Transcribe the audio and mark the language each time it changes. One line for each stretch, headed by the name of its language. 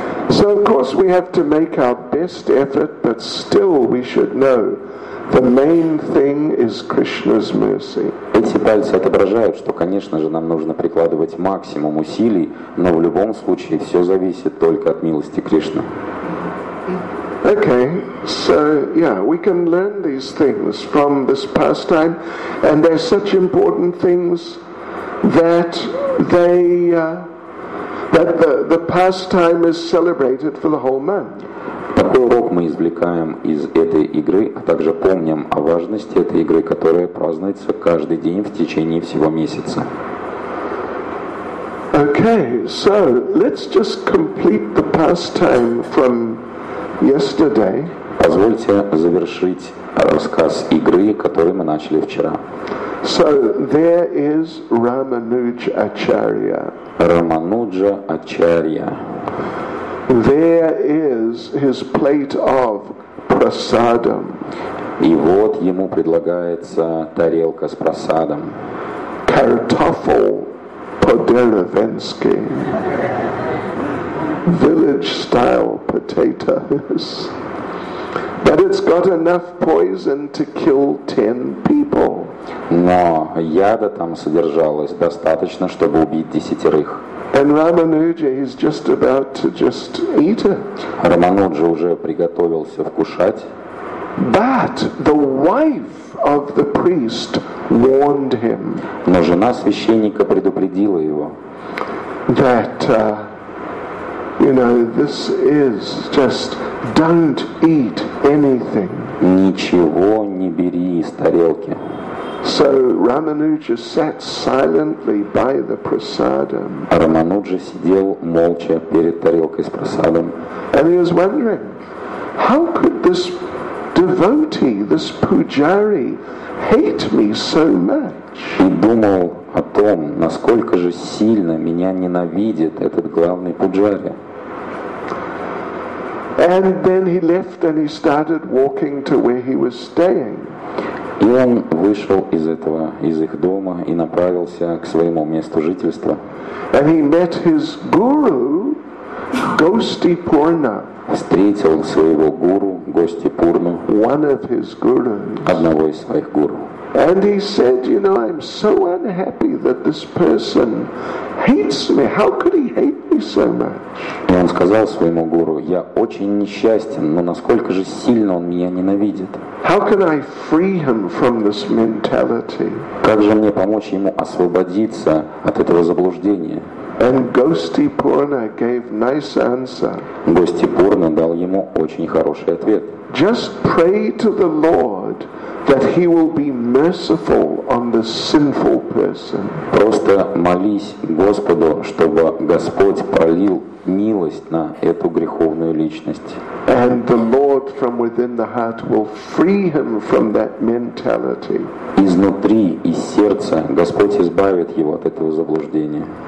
English: So of course we have to make our best effort, but still we should know the main thing is Krishna's mercy.
Russian: Эти пальцы отображают, что, конечно же, нам нужно прикладывать максимум усилий, но в любом случае все зависит только от милости Кришны.
English: Okay, so yeah, we can learn these things from this pastime, and they're such important things that they that the pastime is celebrated for the whole month.
Russian: Такой урок мы извлекаем из этой игры, а также помним о важности этой игры, которая празднуется каждый день в течение всего месяца.
English: Okay, so let's just complete the pastime from yesterday.
Russian: Позвольте завершить рассказ игры, который мы начали вчера.
English: So there is Ramanuja Acharya.
Russian: Ramanuja Acharya.
English: There is his plate of prasadam.
Russian: И вот ему предлагается тарелка с просадом. Картофель по-деревенски.
English: Village style potatoes. But it's got enough poison to kill 10 people.
Russian: Но яда там содержалось достаточно, чтобы убить десятерых.
English: And Ramanuja, he's just about to just eat it.
Russian: Рамануджа уже приготовился вкушать.
English: But the wife of the priest warned him.
Russian: Но жена священника предупредила его.
English: That, you know, this is just don't eat anything.
Russian: Ничего не бери из тарелки.
English: So Ramanuja sat silently by the prasadam.
Russian: Рамануджа сидел молча перед тарелкой с просадом.
English: And he was wondering, how could this devotee, this pujari, hate me so much?
Russian: И думал о том, насколько же сильно меня ненавидит этот главный пуджари.
English: And then he left and he started walking to where he was staying.
Russian: И он вышел из этого, из их дома и направился к своему месту жительства.
English: And he met his guru, Gostipurna.
Russian: Встретил своего гуру Гостипурну.
English: One of his gurus.
Russian: Одного из своих гуру.
English: And he said, you know, I'm so unhappy that this person hates me. How could he hate me so much?
Russian: И он сказал своему гуру, я очень несчастен, но насколько же сильно он меня ненавидит?
English: How can I free him from this mentality?
Russian: Как же мне помочь ему освободиться от этого заблуждения?
English: And Gostipurna gave nice answer.
Russian: Гостипурна дал ему очень хороший ответ.
English: Just pray to the Lord that he will be merciful on the sinful person.
Russian: Просто молись Господу, чтобы Господь пролил милость на эту греховную личность.
English: And the Lord from within the heart will free him from that mentality.
Russian: Изнутри, из сердца, Господь избавит его от этого заблуждения.